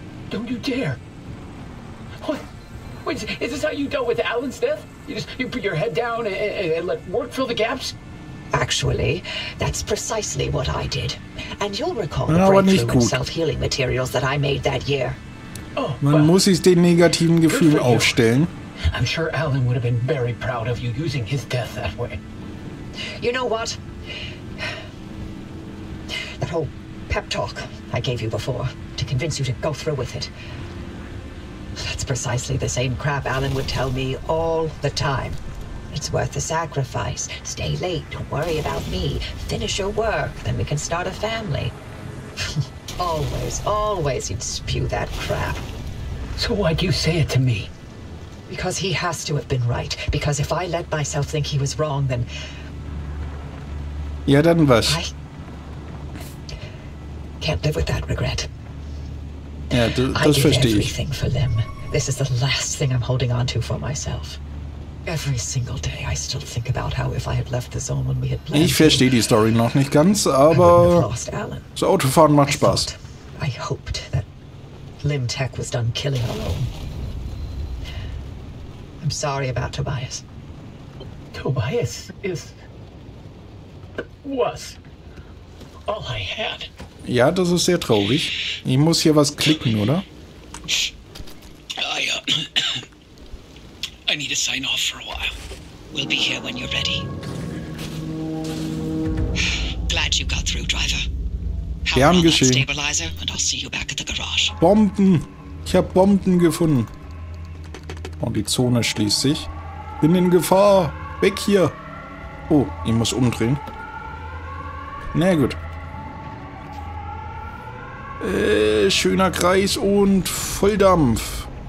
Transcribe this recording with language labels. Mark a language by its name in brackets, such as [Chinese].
[English] Don't you dare. What? Wait, is this how you dealt with Alan's death? You put your head down and let work fill the gaps? Actually, that's precisely what I did. And you'll recall the breakthrough in self-healing materials that I made that year. [German] Man muss sich den negativen Gefühlen aufstellen. [English] I'm sure Alan would have been very proud of you using his death that way. You know what? That whole pep talk I gave you before to convince you to go through with it. That's precisely the same crap Alan would tell me all the time. It's worth the sacrifice. Stay late, don't worry about me. Finish your work, then we can start a family. Always he'd spew that crap. So why'd you say it to me? Because he has to have been right. Because if I let myself think he was wrong, then... [German] Ja, dann was? [English] I can't live with that regret. [German] Ja, das verstehe ich. [English] I did everything for them. This is the last thing I'm holding on to for myself. Every single day I still think about how if I had left the zone when we had planned. [German] Ich verstehe die Story noch nicht ganz, aber so Autofahren macht Spaß. [English] I hoped that Limtech was done killing alone. I'm sorry about Tobias. Tobias is was all I had. [German] Ja, das ist sehr traurig. Ich muss hier was klicken, oder? [English] I need to sign off for a while. We'll be here when you're ready. Glad you got through, driver. [German] Gern geschehen. [English] Stabilizer and I'll see you back at the garage. [German] Bomben. Ich habe Bomben gefunden. Und die Zone schließt sich. Bin in Gefahr. Weg hier. Oh, ich muss umdrehen. Na gut. Schöner Kreis und Volldampf.